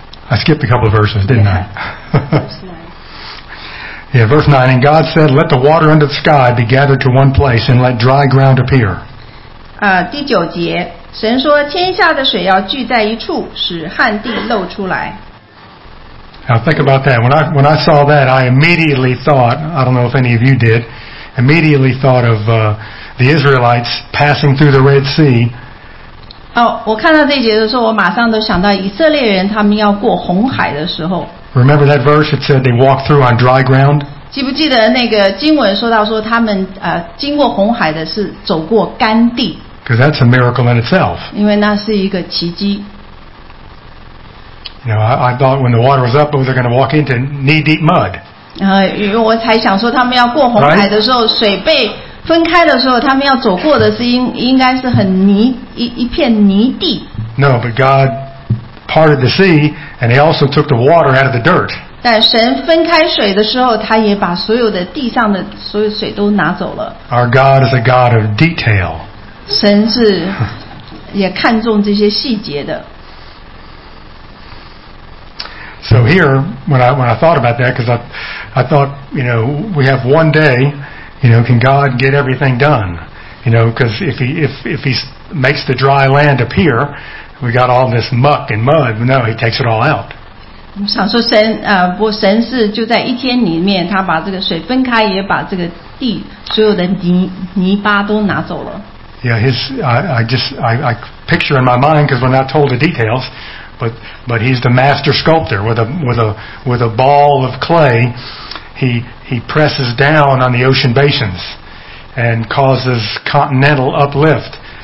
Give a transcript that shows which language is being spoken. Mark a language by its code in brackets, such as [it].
[en] I skipped a couple of verses, didn't I? Verse 9. Yeah, verse 9. And God said, "Let the water under the sky be gathered to one place, and let dry ground appear." [zh] 第九节，神说天下的水要聚在一处，使旱地露出来。 [en] Now think about that. When I saw that, I immediately thought, I don't know if any of you did, immediately thought of the Israelites passing through the Red Sea. [zh] 我看到这节的时候，我马上都想到以色列人他们要过红海的时候。 [en] Remember that verse? It said they walked through on dry ground. [zh] 记不记得那个经文说到说他们经过红海的是走过干地。 [en] Because that's a miracle in itself. [zh] 因为那是一个奇迹。 [en] You know, I thought when the water was up, they were going to walk into knee-deep mud. [zh] 因为我才想说他们要过红海的时候，水被分开的时候，他们要走过的是应该是很泥 一片泥地。 [en] No, but God parted the sea, and He also took the water out of the dirt. [zh] 但神分开水的时候，他也把所有的地上的所有水都拿走了。 [en] Our God is a God of detail. [zh] 神是也看重这些细节的。 [en] So here, when I thought about that, because I thought, you know, we have one day. You know, can God get everything done? You know, because if He makes the dry land appear, we got all this muck and mud. No, He takes it all out. [zh] 我想说神不过神是就在一天里面，他把这个水分开，也把这个地所有的泥巴都拿走了。 [en] Yeah, I picture in my mind because we're not told the details, but He's the master sculptor with a ball of clay. He presses down on the ocean basins and causes continental uplift.